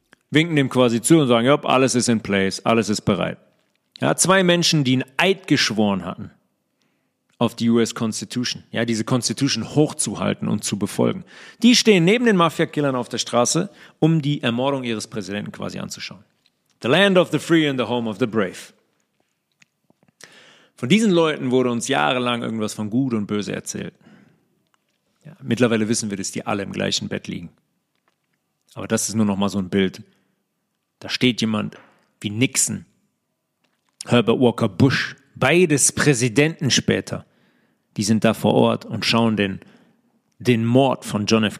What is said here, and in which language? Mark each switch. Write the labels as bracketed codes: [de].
[de] Winken dem quasi zu und sagen, ja, alles ist [en] in place, [de] alles ist bereit. Ja, zwei Menschen, die einen Eid geschworen hatten auf die US Constitution, ja, diese Constitution hochzuhalten und zu befolgen. Die stehen neben den Mafia-Killern auf der Straße, um die Ermordung ihres Präsidenten quasi anzuschauen. [en] The land of the free and the home of the brave. [de] Von diesen Leuten wurde uns jahrelang irgendwas von Gut und Böse erzählt. Ja, mittlerweile wissen wir, dass die alle im gleichen Bett liegen. Aber das ist nur noch mal so ein Bild. Da steht jemand wie Nixon, Herbert Walker Bush, beides Präsidenten später, die sind da vor Ort und schauen den Mord von John F.